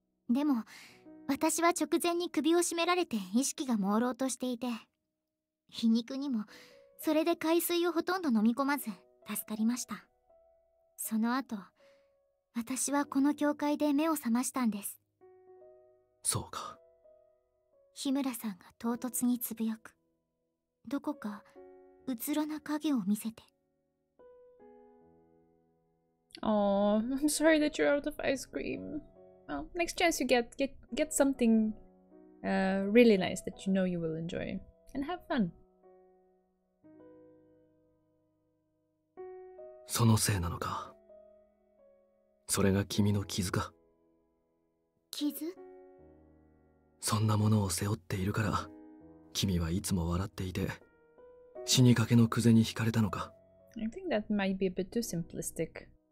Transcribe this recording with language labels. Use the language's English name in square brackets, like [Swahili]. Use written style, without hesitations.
[Japanese] でも私は直前に首を絞められて意識が朦朧としていて、皮肉にもそれで海水をほとんど飲み込まず助かりました。その後私はこの教会で目を覚ましたんです。そうか。日村さんが唐突につぶやく。どこかうつろな影を見せて。 [English] Oh, I'm sorry that you're out of ice cream. Well, next chance you get something really nice that you know you will enjoy. And have fun. [Japanese] そのせいなのか。それが君の傷か。傷？そんなものを背負っているから、君はいつも笑っていて、死にかけの久世に惹かれたのか。 [English] I think that might be a bit too simplistic.